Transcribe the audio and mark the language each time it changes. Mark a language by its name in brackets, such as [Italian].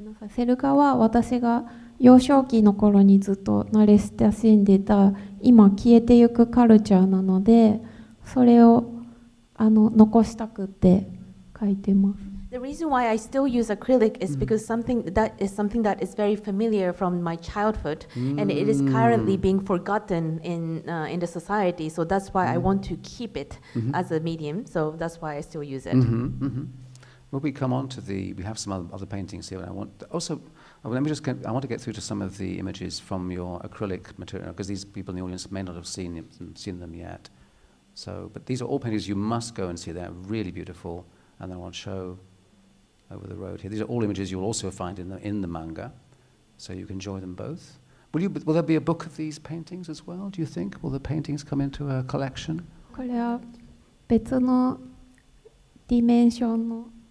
[Japanese] セル画は私が幼少期の頃にずっと慣れ親しんでいた今消えてゆくカルチャーなのでそれを残したくて描いてます。 [English] The reason why I still use acrylic is because something that is very familiar from my childhood, and it is currently being forgotten in the society. So that's why I want to keep it as a medium. So that's why I still use it. Well, we come on to the. We have some other paintings here. I want to get through to some of the images from your acrylic material because these people in the audience may not have seen them yet. So, but these are all paintings you must go and see. They're really beautiful, and then I want to show. Over the road here. These are all images you'll also find in the manga, so you can enjoy them both. Will there be a book of these paintings as well, do you think? Will the paintings come into a collection? [Japanese] これは別のディメンションの